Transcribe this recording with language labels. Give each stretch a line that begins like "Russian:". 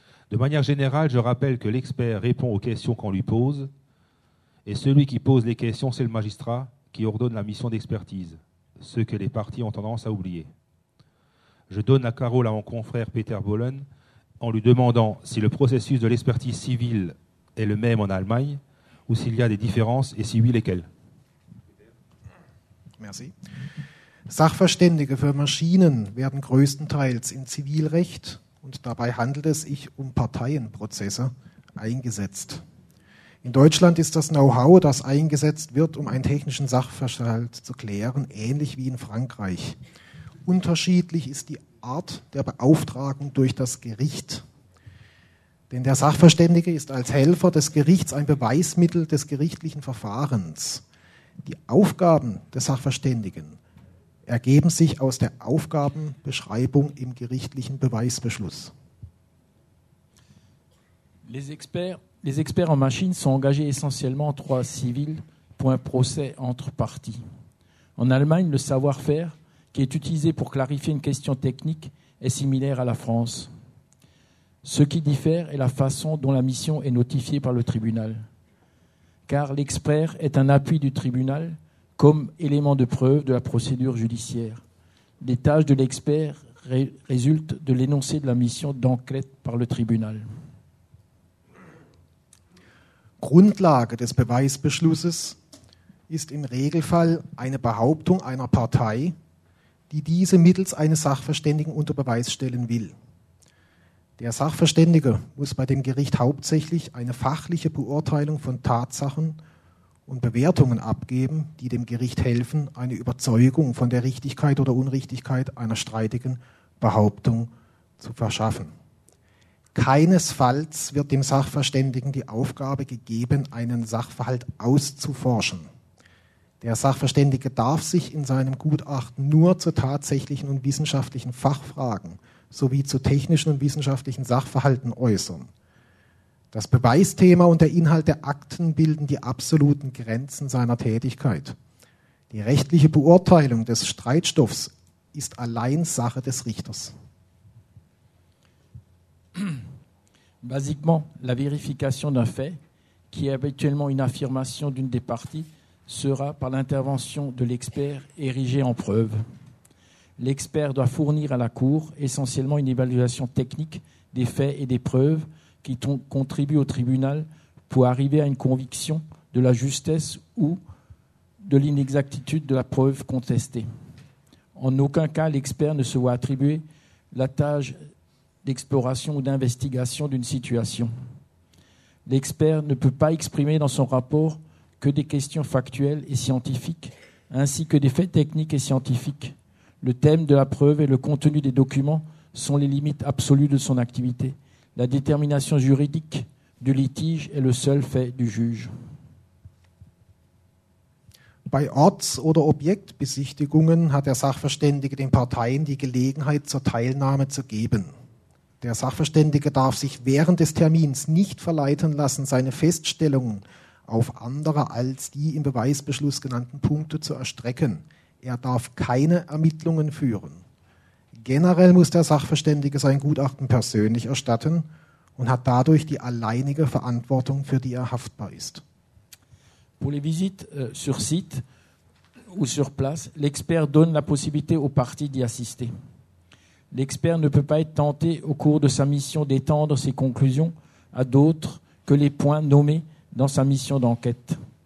French: De manière générale, je rappelle que l'expert répond aux questions qu'on lui pose et celui qui pose les questions, c'est le magistrat qui ordonne la mission d'expertise, ce que les parties ont tendance à oublier. Je donne la parole à mon confrère Peter Bollen en lui demandant si le processus de l'expertise civile est le même en Allemagne ou s'il y a des différences, et si oui, lesquelles. Merci.
German: Sachverständige für Maschinen werden größtenteils im Zivilrecht und dabei handelt es sich um Parteienprozesse eingesetzt. In Deutschland ist das Know-how, das eingesetzt wird, um einen technischen Sachverhalt zu klären, ähnlich wie in Frankreich. Unterschiedlich ist die Art der Beauftragung durch das Gericht. Denn der Sachverständige ist als Helfer des Gerichts ein Beweismittel des gerichtlichen Verfahrens. Die Aufgaben des Sachverständigen ergeben sich aus der Aufgabenbeschreibung im gerichtlichen Beweisbeschluss.
French: Les experts en machine sont engagés essentiellement en droit civil pour un procès entre parties. En Allemagne, le savoir-faire qui est utilisé pour clarifier une question technique est similaire à la France. Ce qui diffère est la façon dont la mission est notifiée par le tribunal. Car l'expert est un appui du tribunal comme élément de preuve de la procédure judiciaire. Les tâches de l'expert résultent de l'énoncé de la mission d'enquête par le tribunal.
German: Grundlage des Beweisbeschlusses ist im Regelfall eine Behauptung einer Partei, die diese mittels eines Sachverständigen unter Beweis stellen will. Der Sachverständige muss bei dem Gericht hauptsächlich eine fachliche Beurteilung von Tatsachen und Bewertungen abgeben, die dem Gericht helfen, eine Überzeugung von der Richtigkeit oder Unrichtigkeit einer streitigen Behauptung zu verschaffen. Keinesfalls wird dem Sachverständigen die Aufgabe gegeben, einen Sachverhalt auszuforschen. Der Sachverständige darf sich in seinem Gutachten nur zu tatsächlichen und wissenschaftlichen Fachfragen sowie zu technischen und wissenschaftlichen Sachverhalten äußern. Das Beweisthema und der Inhalt der Akten bilden die absoluten Grenzen seiner Tätigkeit. Die rechtliche Beurteilung des Streitstoffs ist allein Sache des Richters.
French: Basiquement, la vérification d'un fait, qui est habituellement une affirmation d'une des parties, sera par l'intervention de l'expert érigée en preuve. L'expert doit fournir à la Cour essentiellement une évaluation technique des faits et des preuves qui contribuent au tribunal pour arriver à une conviction de la justesse ou de l'inexactitude de la preuve contestée. En aucun cas, l'expert ne se voit attribuer la tâche d'exploration ou d'investigation d'une situation. L'expert ne peut pas exprimer dans son rapport que des questions factuelles et scientifiques, ainsi que des faits techniques et scientifiques. Le thème de la preuve et le contenu des documents sont les limites absolues de son activité. La détermination juridique du litige est le seul fait du juge.
German: Bei Orts- oder Objektbesichtigungen hat der Sachverständige den Parteien die Gelegenheit zur Teilnahme zu geben. Der Sachverständige darf sich während des Termins nicht verleiten lassen, seine Feststellungen auf andere als die im Beweisbeschluss genannten Punkte zu erstrecken. Er darf keine Ermittlungen führen. Generell muss der Sachverständige sein Gutachten persönlich erstatten und hat dadurch die alleinige Verantwortung, für die er haftbar ist.
French: Pour les visites sur site ou sur place, l'expert donne la possibilité aux parties d'y assister. L'expert ne peut pas être tenté au cours de sa mission d'étendre ses conclusions à d'autres que les points nommés dans sa mission d'enquête.